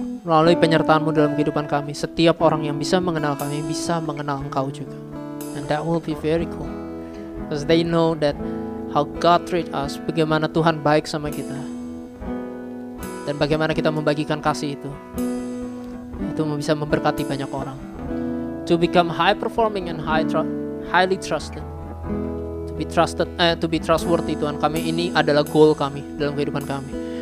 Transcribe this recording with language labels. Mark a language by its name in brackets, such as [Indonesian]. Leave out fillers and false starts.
[Indonesian] melalui penyertaan-Mu dalam kehidupan kami. Setiap orang yang bisa mengenal kami bisa mengenal Engkau juga. [English] And that will be very cool, because they know that how God treat us, [Indonesian] bagaimana Tuhan baik sama kita, dan bagaimana kita membagikan kasih itu. Itu bisa memberkati banyak orang. [English] To become high performing and highly trusted. To be trustworthy [Indonesian] Tuhan kami, ini adalah goal kami dalam kehidupan kami.